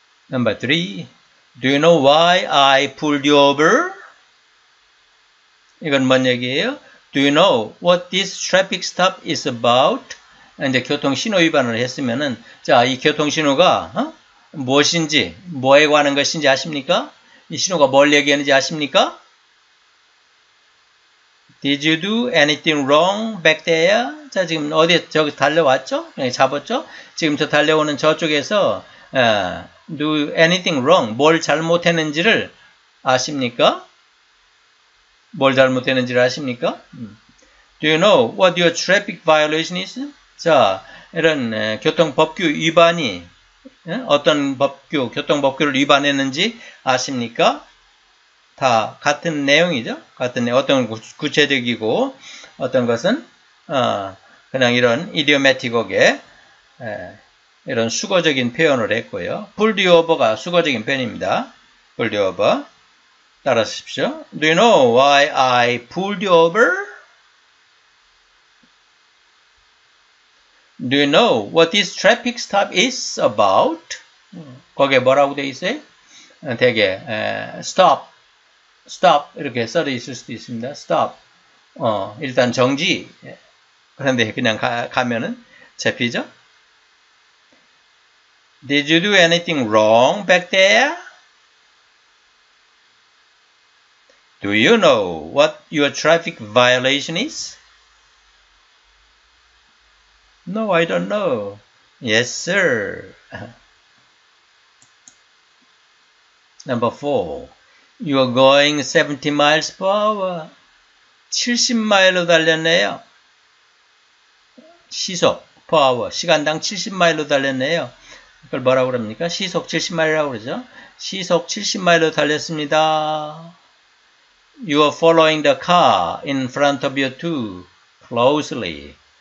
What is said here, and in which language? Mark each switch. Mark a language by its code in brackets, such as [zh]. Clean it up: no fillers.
[en] Number three, do you know why I pulled you over? [ko] 이건 뭔 얘기예요? [en] Do you know what this traffic stop is about? [ko] 이제 교통신호 위반을 했으면은, 자, 이 교통신호가 무엇인지, 뭐에 관한 것인지 아십니까? 이 신호가 뭘 얘기하는지 아십니까? [en] Did you do anything wrong back there? [ko] 자, 지금 어디, 저기 달려왔죠? 잡았죠? 지금 저 달려오는 저쪽에서, [en] do anything wrong? [ko] 뭘 잘못했는지를 아십니까? 뭘 잘못했는지를 아십니까? [en] Do you know what your traffic violation is? [ko] 자, 이런 교통법규 위반이, 어떤 법규, 교통법규를 위반했는지 아십니까? 다 같은 내용이죠. 같은 내용. 어떤 구체적이고 어떤 것은 그냥 이런 idiomatic하게 이런 수거적인 표현을 했고요. [en] Pulled you over가 [ko] 수거적인 표현입니다. [en] Pulled you over. [ko] 따라하십시오. [en] Do you know why I pulled you over? Do you know what this traffic stop is about? [ko] 거기에 뭐라고 돼 있어요? 되게 stop. Stop 이렇게 써져 있을 수도 있습니다. Stop. 일단 정지. 그런데 그냥 가면은 잡히죠. [en] Did you do anything wrong back there? Do you know what your traffic violation is? No, I don't know. Yes, sir. Number four. You are going 70 miles per hour. [ko] 70마일로 달렸네요. 시속 [en] per hour. [ko] 시간당 70마일로 달렸네요. 그걸 뭐라고 그럽니까? 시속 70마일이라고 그러죠. 시속 70마일로 달렸습니다. [en] You are following the car in front of you too closely.